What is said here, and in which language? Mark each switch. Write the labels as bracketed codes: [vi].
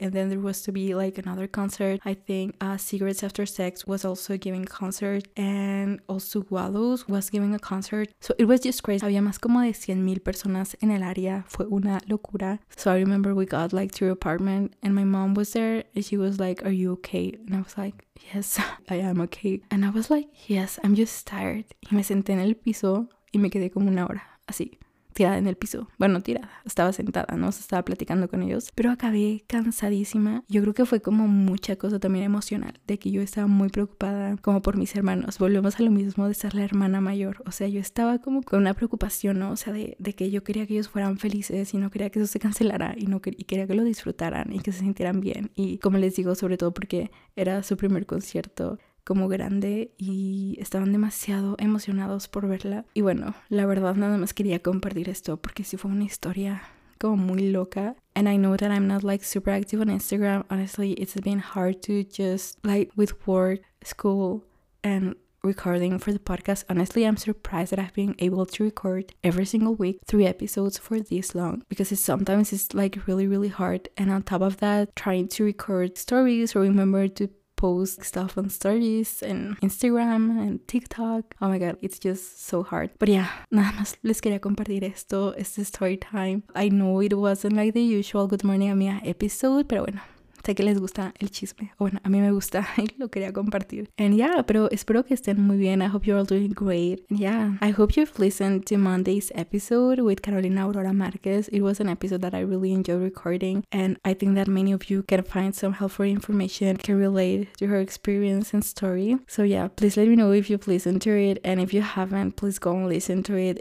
[en] And then there was to be like another concert. I think Cigarettes After Sex was also giving a concert. And also Wallows was giving a concert. So it was just crazy. [es] Había más como de 100,000 personas en el área. Fue una locura. [en] So I remember we got like through apartment and my mom was there and she was like, are you okay? And I was like, yes, I am okay. And I was like, yes, I'm just tired. [es] Y me senté en el piso y me quedé como una hora así tirada en el piso. Bueno, tirada, estaba sentada, no, o sea, estaba platicando con ellos, pero acabé cansadísima. Yo creo que fue como mucha cosa también emocional, de que yo estaba muy preocupada como por mis hermanos. Volvemos a lo mismo de ser la hermana mayor, o sea, yo estaba como con una preocupación, ¿no? O sea, de que yo quería que ellos fueran felices y no quería que eso se cancelara y no y quería que lo disfrutaran y que se sintieran bien. Y como les digo, sobre todo porque era su primer concierto como grande y estaban demasiado emocionados por verla. Y bueno, la verdad nada más quería compartir esto porque sí fue una historia como muy loca. [en] And I know that I'm not like super active on Instagram. Honestly, it's been hard to just like with work, school and recording for the podcast. Honestly, I'm surprised that I've been able to record every single week 3 episodes for this long, because it's sometimes it's like really, really hard. And on top of that, trying to record stories or remember to post stuff on stories and Instagram and TikTok. Oh my god, it's just so hard. But yeah, [es] nada más les quería compartir esto. [en] It's the story time. I know it wasn't like the usual Good Morning Amiga episode, [es] pero bueno, sé que les gusta el chisme. Bueno, a mí me gusta y lo quería compartir. [en] And yeah, [es] pero espero que estén muy bien. [en] I hope you're all doing great. And yeah, I hope you've listened to Monday's episode with Carolina Aurora Márquez. It was an episode that I really enjoyed recording. And I think that many of you can find some helpful information, can relate to her experience and story. So yeah, please let me know if you've listened to it. And if you haven't, please go and listen to it.